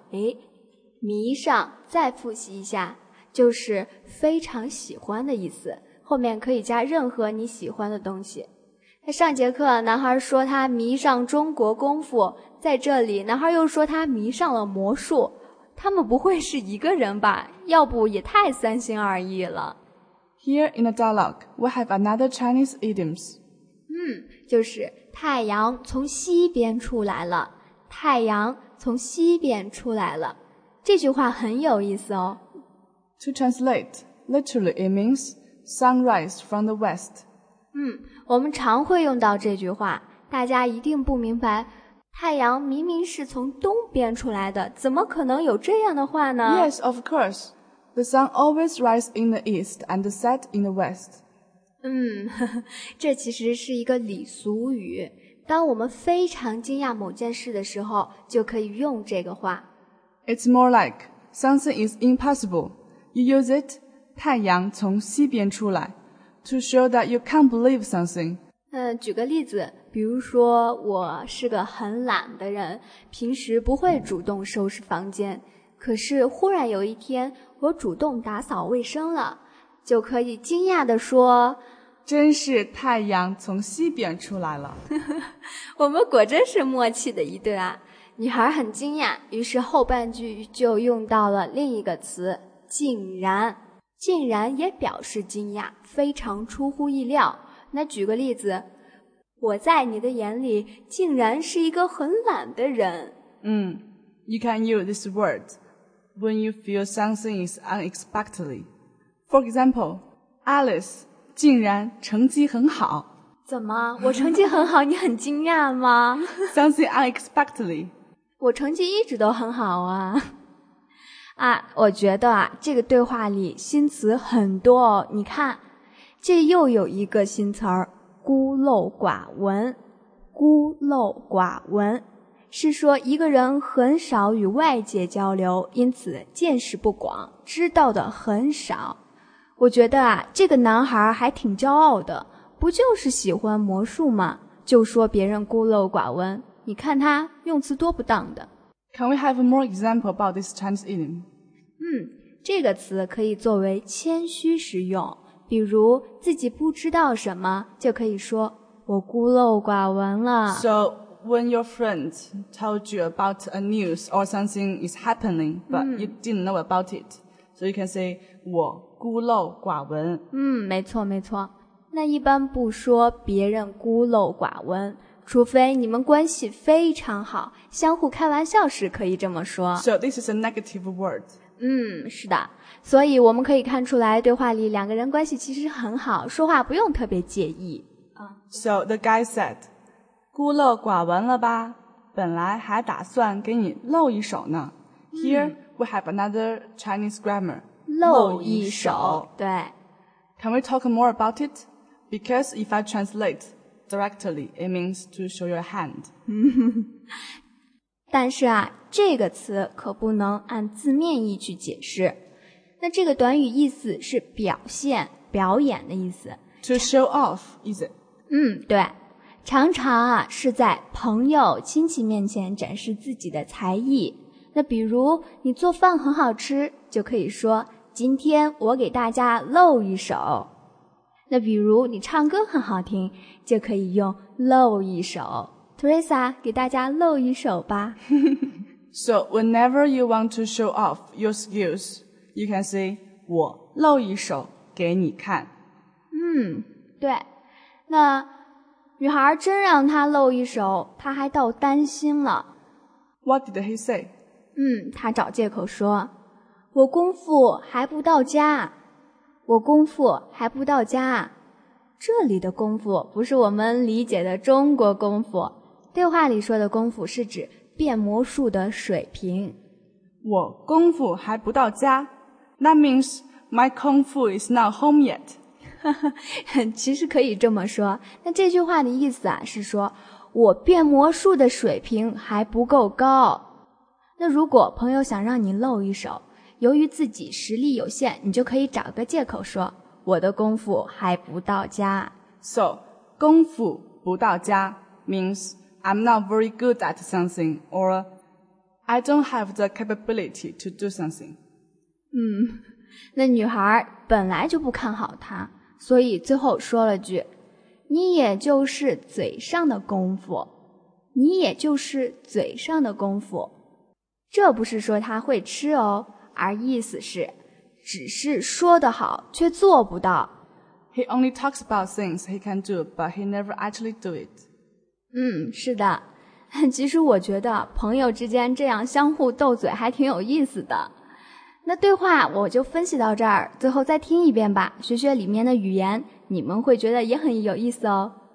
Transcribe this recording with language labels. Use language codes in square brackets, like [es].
[zh] 诶，迷上，再复习一下，就是非常喜欢的意思，后面可以加任何你喜欢的东西。上节课男孩说他迷上中国功夫，在这里男孩又说他迷上了魔术，他们不会是一个人吧？要不也太三心二意了。 [en] Here in the dialogue, we have another Chinese idioms. [zh] 就是太阳从西边出来了，太阳从西边出来了，这句话很有意思哦。 [en] To translate, literally it means sunrise from the west. [zh] 我们常会用到这句话，大家一定不明白，太阳明明是从东边出来的，怎么可能有这样的话呢？ [en] Yes, of course. The sun always rises in the east and sets in the west. [zh] 这其实是一个俚俗语，当我们非常惊讶某件事的时候，就可以用这个话。 [en] It's more like something is impossible. You use it, [zh] 太阳从西边出来。 [en] To show that you can't believe something. [zh] 举个例子，比如说我是个很懒的人，平时不会主动收拾房间，可是忽然有一天我主动打扫卫生了，就可以惊讶地说，真是太阳从西边出来了。我们果真是默契的一对啊。女孩很惊讶，于是后半句就用到了另一个词，竟然。竟然也表示惊讶，非常出乎意料。那举个例子，我在你的眼里竟然是一个很懒的人。 [en] You can use this word when you feel something is unexpectedly. For example, [zh] Alice 竟然成绩很好。怎么，我成绩很好你很惊讶吗？ [en] Something unexpectedly. [zh] 我成绩一直都很好啊。我觉得啊，这个对话里新词很多哦。你看，这又有一个新词儿，孤陋寡闻。孤陋寡闻是说一个人很少与外界交流，因此见识不广，知道的很少。我觉得啊，这个男孩还挺骄傲的，不就是喜欢魔术吗？就说别人孤陋寡闻，你看他用词多不当的。 [en] Can we have more example about this Chinese idiom? [zh] 这个词可以作为谦虚使用，比如自己不知道什么，就可以说我孤陋寡闻了。 [en] So when your friend told you about a news or something is happening, but you didn't know about it, so you can say [zh] 我孤陋寡闻。没错没错。那一般不说别人孤陋寡闻。除非你们关系非常好，相互开玩笑时可以这么说。 [en] So this is a negative word. [zh] 是的。所以我们可以看出来，对话里两个人关系其实很好，说话不用特别介意。 [en] So the guy said, [zh] 孤陋寡闻了吧？本来还打算给你露一手呢。 [en] Here we have another Chinese grammar. [zh] 露一手。对。 [en] Can we talk more about it? Because if I translate,Directly, it means to show your hand. [zh] 但是啊，这个词可不能按字面意去解释。那这个短语意思是表现、表演的意思。 [en] To show off, is it? [zh] 对。常常啊，是在朋友、亲戚面前展示自己的才艺。那比如，你做饭很好吃，就可以说，今天我给大家露一手。那比如你唱歌很好听，就可以用露一手。Teresa, 给大家露一手吧。 [en] So whenever you want to show off your skills, you can say, [zh] 我露一手给你看。嗯，对。那女孩真让他露一手，他还倒担心了。 [en] What did he say? [zh] 嗯，他找借口说，我功夫还不到家。我功夫还不到家。这里的功夫不是我们理解的中国功夫。对话里说的功夫是指变魔术的水平。我功夫还不到家。 [en] That means my kung fu is not home yet. [zh] 其实可以这么说。那这句话的意思啊，是说我变魔术的水平还不够高。那如果朋友想让你露一手，由于自己实力有限，你就可以找个借口说，我的功夫还不到家。 [en] So, [zh] 功夫不到家 [en] means I'm not very good at something or I don't have the capability to do something. [zh] 嗯，那女孩本来就不看好她，所以最后说了句，你也就是嘴上的功夫，你也就是嘴上的功夫。这不是说她会吃哦，而意思是只是说得好却做不到。 [en] He only talks about things he can do, but he never actually do it. [zh] 嗯，是的。其实我觉得朋友之间这样相互斗嘴还挺有意思的。那对话我就分析到这儿，最后再听一遍吧，学学里面的语言，你们会觉得也很有意思哦。